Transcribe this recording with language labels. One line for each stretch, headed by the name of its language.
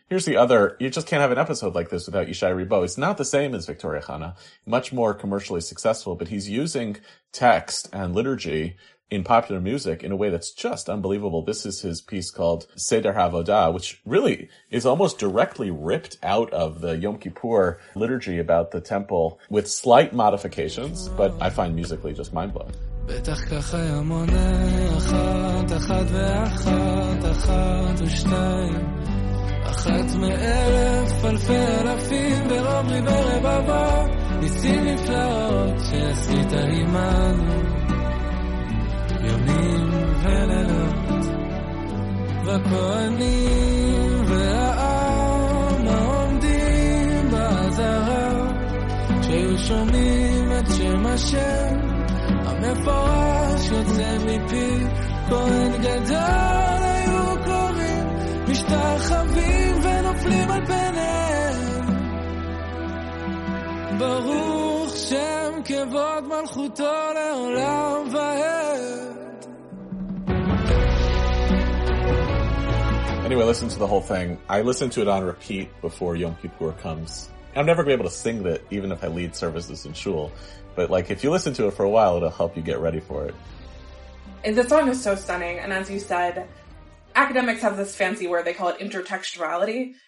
English: Here's the other, you just can't have an episode like this without Yishai Rebo. It's not the same as Victoria Hanna, much more commercially successful, but he's using text and liturgy in popular music in a way that's just unbelievable. This is his piece called Seder HaVodah, which really is almost directly ripped out of the Yom Kippur liturgy about the temple with slight modifications, but I find musically just mind-blowing.
Hebrew: בטח ככה ימונה אחת, אחת ואחת, אחת ושתיים אחת מאלף, אלפי אלפים ברוב ריבי רבבה ניסים נפלאות שעשית עימנו ימים ולילות וכהנים והעם העומדים בעזרה שהיו שומעים את שם השם מפורש יוצא מפי כהן גדול היו קוראים משתחווים ונופלים על פניהם ברוך שם כבוד מלכותו לעולם ועד.
English: Anyway, listen to the whole thing. I listen to it on repeat before Yom Kippur comes. I'm never going to be able to sing that, even if I lead services in shul. But like, if you listen to it for a while, it'll help you get ready for it. And the song is so stunning. And as you said, academics have this fancy word, they call it intertextuality.